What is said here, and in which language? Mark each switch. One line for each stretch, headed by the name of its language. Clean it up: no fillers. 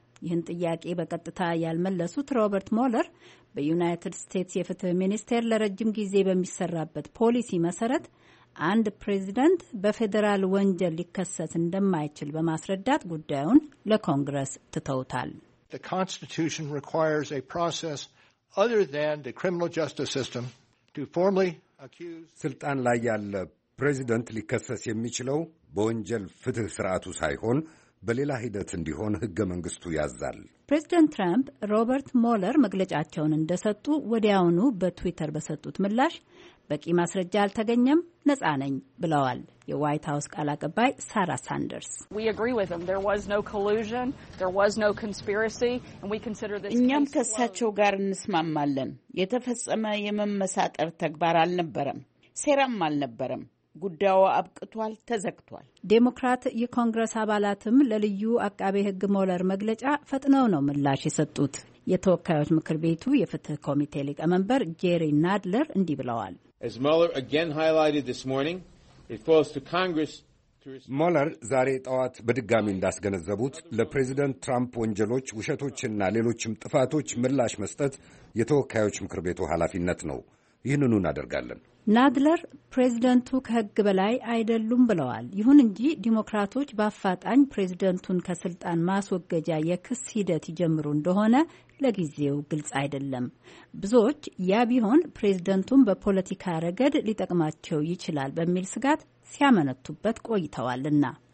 Amharic: ይህን ጥያቄ በቀጥታ ያልመለሱት ሮበርት ሞለር በዩናይትድ ስቴትስ የፍትህ ሚኒስቴር ለረጅም ጊዜ በሚሰራበት ፖሊሲ መሰረት አንድ ፕሬዝደንት በፌዴራል ወንጀል ሊከሰስ እንደማይችል በማስረዳት ጉዳዩን ለኮንግረስ ትተውታል።
English: The Constitution requires a process other than the criminal justice system to formally accuse.
Amharic: ስልጣን ላይ ያለ ፕሬዝደንት ሊከሰስ የሚችለው በወንጀል ፍትህ ስርዓቱ ሳይሆን በሌላ ሂደት እንዲሆን ህገ መንግስቱ ያዛል። ፕሬዝደንት ትራምፕ ሮበርት ሞለር መግለጫቸውን እንደሰጡ ወዲያውኑ በትዊተር በሰጡት ምላሽ በቂ ማስረጃ አልተገኘም፣ ነጻ ነኝ ብለዋል። የዋይት ሃውስ ቃል አቀባይ ሳራ ሳንደርስ
English: We agree with them. There was no collusion. There was no conspiracy. And we consider this
Amharic: እኛም ከሳቸው ጋር እንስማማለን። የተፈጸመ የመመሳጠር ተግባር አልነበረም። ሴራም አልነበረም። ጉዳዩ አብቅቷል፣ ተዘግቷል። ዴሞክራት የኮንግረስ አባላትም ለልዩ አቃቤ ህግ ሞለር መግለጫ ፈጥነው ነው ምላሽ የሰጡት። የተወካዮች ምክር ቤቱ የፍትህ ኮሚቴ ሊቀመንበር ጄሪ ናድለር እንዲህ ብለዋል።
English: As Mueller again highlighted this morning, it falls to Congress to respond.
Amharic: ሞለር ዛሬ ጠዋት በድጋሚ እንዳስገነዘቡት ለፕሬዚደንት ትራምፕ ወንጀሎች፣ ውሸቶችና ሌሎችም ጥፋቶች ምላሽ መስጠት የተወካዮች ምክር ቤቱ ኃላፊነት ነው። ይህንኑ እናደርጋለን። ናድለር ፕሬዝደንቱ ከህግ በላይ አይደሉም ብለዋል። ይሁን እንጂ ዲሞክራቶች በአፋጣኝ ፕሬዝደንቱን ከስልጣን ማስወገጃ የክስ ሂደት ይጀምሩ እንደሆነ ለጊዜው ግልጽ አይደለም። ብዙዎች ያ ቢሆን ፕሬዝደንቱን በፖለቲካ ረገድ ሊጠቅማቸው ይችላል በሚል ስጋት ሲያመነቱበት ቆይተዋልና።